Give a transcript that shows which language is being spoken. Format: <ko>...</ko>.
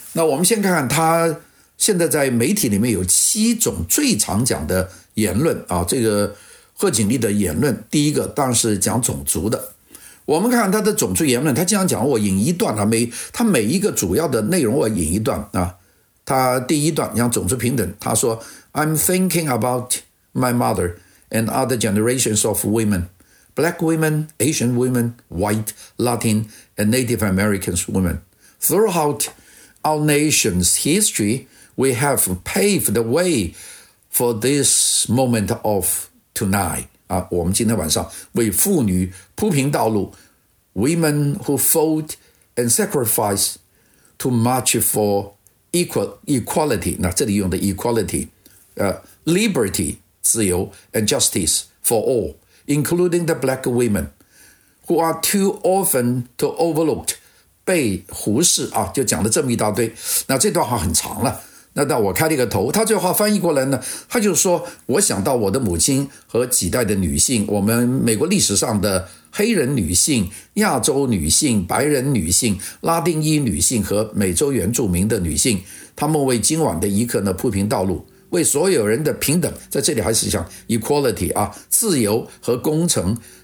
<zh>那我们先看看他现在在媒体里面有七种最常讲的言论啊，这个贺锦丽的言论，第一个当然是讲种族的。我们看他的种族言论，他经常讲，我引一段啊，他每一个主要的内容我引一段啊。他第一段讲种族平等，他说 ：</zh> <en>“I'm thinking about。” My mother and other generations of women, black women, Asian women, white, Latin, and Native American women. Throughout our nation's history, we have paved the way for this moment of tonight.</en> <zh>我们今天晚上为妇女铺平道路，</zh> <en>women who fought and sacrificed to march for equality.</en> <zh>那这里用的</zh> <en>equality, liberty,</en> <zh>自由</zh> <en>and justice for all, including the black women who are too often to overlooked,</en> <zh>被忽视啊，就讲了这么一大堆。那这段话很长了，那到我开了一个头，他这话翻译过来呢，他就说我想到我的母亲和几代的女性，我们美国历史上的黑人女性、亚洲女性、白人女性、拉丁裔女性和美洲原住民的女性，他们为今晚的一刻呢铺平道路，为所有人的平等，在这里还是想 equality 啊，自由和公正</zh>